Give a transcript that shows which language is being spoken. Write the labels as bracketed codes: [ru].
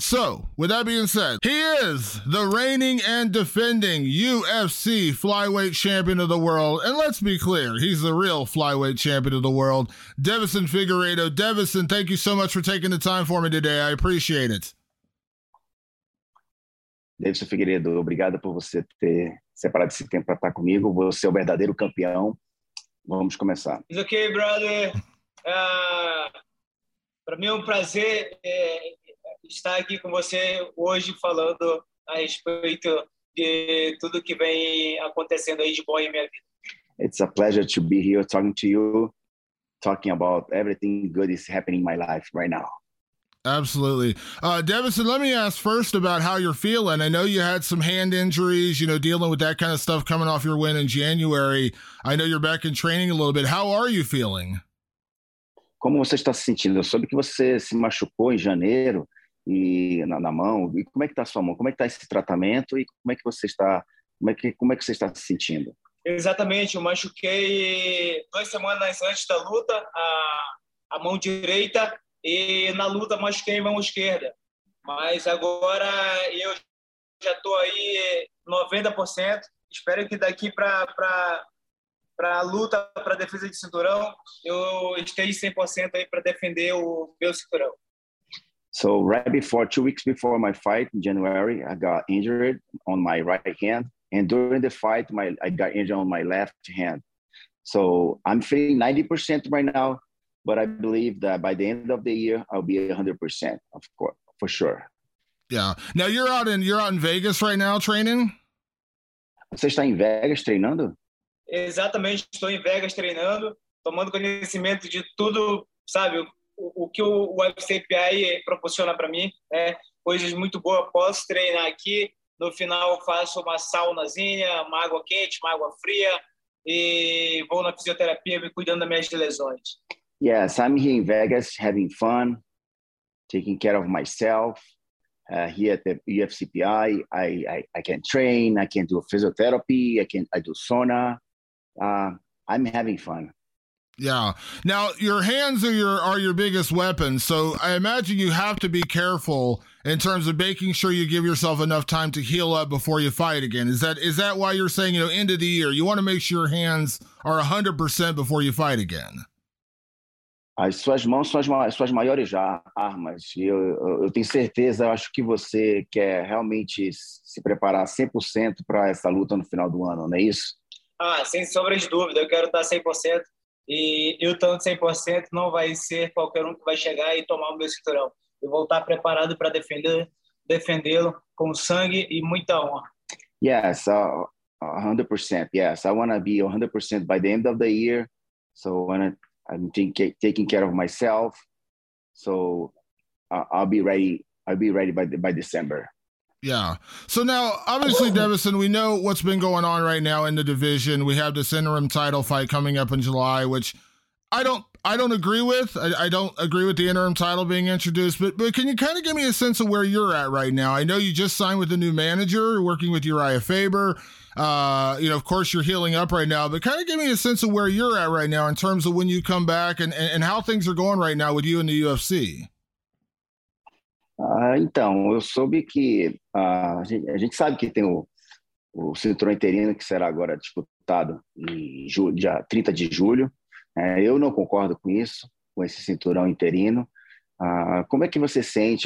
[en] So, with that being said, he is the reigning and defending UFC flyweight champion of the world. And let's be clear, he's the real flyweight champion of the world, Deiveson Figueiredo. Deiveson, thank you so much for taking the time for me today. I appreciate it. [pt] Deiveson Figueiredo, obrigado por você ter separado esse tempo para estar comigo. Você é o verdadeiro campeão. Vamos começar. [en] It's okay, brother. [pt] Para mim é um prazer estar aqui com você hoje falando a respeito de tudo que vem acontecendo aí de bom em minha vida. [en] It's a pleasure to be here talking to you, talking about everything good is happening in my life right now. Absolutely. Deiveson, let me ask first about how you're feeling. I know you had some hand injuries, you know, dealing with that kind of stuff coming off your win in January. I know you're back in training a little bit. How are you feeling? [pt] Como você está se sentindo? Eu soube que você se machucou em janeiro e na mão. E como é que está a sua mão? Como é que está esse tratamento? E como é que você está? Como é que você está se sentindo? Exatamente. Eu machuquei 2 semanas antes da luta a mão direita e na luta machuquei a mão esquerda. Mas agora eu já estou aí 90%. Espero que daqui para a luta, para a defesa de cinturão, eu estei 100% aí para defender o meu cinturão. [en] So, right before, 2 weeks before my fight in January, I got injured on my right hand. And during the fight, I got injured on my left hand. So, I'm feeling 90% right now, but I believe that by the end of the year, I'll be 100%, of course, for sure. Yeah. Now, you're out in Vegas right now training? [pt] Você está em Vegas treinando? Exatamente, estou em Vegas treinando, tomando conhecimento de tudo, sabe, o que o UFCPI proporciona para mim, né? Coisas muito boas, posso treinar aqui, no final faço uma saunazinha, uma água quente, uma água fria, e vou na fisioterapia me cuidando das minhas lesões. [en] Yes, I'm here in Vegas having fun, taking care of myself, here at the UFCPI, I can train, I can do physiotherapy, I do sauna. I'm having fun. Yeah. Now, your hands are your biggest weapon. So I imagine you have to be careful in terms of making sure you give yourself enough time to heal up before you fight again. Is that why you're saying, you know, end of the year, you want to make sure your hands are 100% before you fight again? [pt] As suas mãos são as suas maiores já armas. E eu tenho certeza, eu acho que você quer realmente se preparar 100% para essa luta no final do ano, não é isso? Ah, sem sombra de dúvida, eu quero estar 100%. E eu estando 100%, não vai ser qualquer um que vai chegar e tomar o meu cinturão. Eu vou estar preparado para defendê-lo com sangue e muita honra. [en] Yes, 100%. Yes, I want to be 100% by the end of the year. So when I'm taking care of myself. So I'll be ready by December. Yeah. So now, obviously, Devison, we know what's been going on right now in the division. We have this interim title fight coming up in July, which I don't agree with. I don't agree with the interim title being introduced. But can you kind of give me a sense of where you're at right now? I know you just signed with a new manager, working with Uriah Faber. You know, of course, you're healing up right now. But kind of give me a sense of where you're at right now in terms of when you come back and how things are going right now with you in the UFC. [pt] Então, eu soube que a gente sabe que tem o cinturão interino que será agora disputado em julho, dia 30 de julho. Eu não concordo com isso, com esse cinturão interino. Como é que você sente?